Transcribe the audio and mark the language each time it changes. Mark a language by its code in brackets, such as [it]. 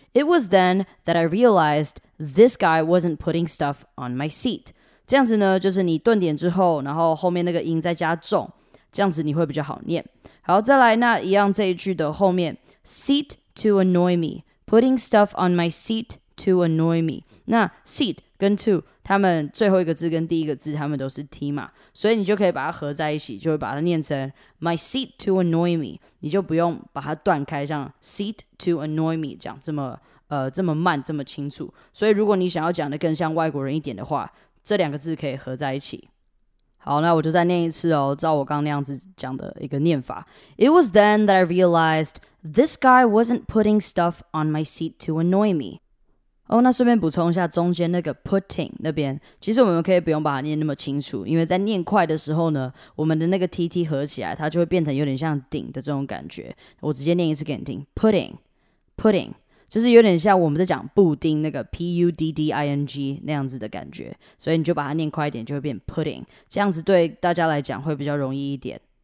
[en] It was then that I realized this guy wasn't putting stuff on my seat. [zh] 这样子呢，就是你顿点之后，然后后面那个音再加重，这样子你会比较好念。好，再来，那一样这一句的后面 ， [en] seat to annoy me, [zh] putting stuff on my seat to annoy me. 那 seat 跟 to 他们最后一个字跟第一个字他们都是 t 嘛，所以你就可以把它合在一起，就会把它念成 [en] my seat to annoy me。 [zh] 你就不用把它断开，像 [en] seat to annoy me [zh] 讲这么这么慢这么清楚，所以如果你想要讲的更像外国人一点的话，这两个字可以合在一起。好，那我就再念一次哦，照我刚那样子讲的一个念法。 [en] It was then that I realized this guy wasn't putting stuff on my seat to annoy me。 [zh] 哦，那顺便补充一下，中间那个 putting 那边其实我们可以不用把它念那么清楚，因为在念快的时候呢，我们的那个 TT 合起来它就会变成有点像顶的这种感觉。我直接念一次给你听， putting putting 就是有点像我们在讲布丁那个 PUDDING 那样子的感觉，所以你就把它念快一点就会变 putting， 这样子对大家来讲会比较容易一点。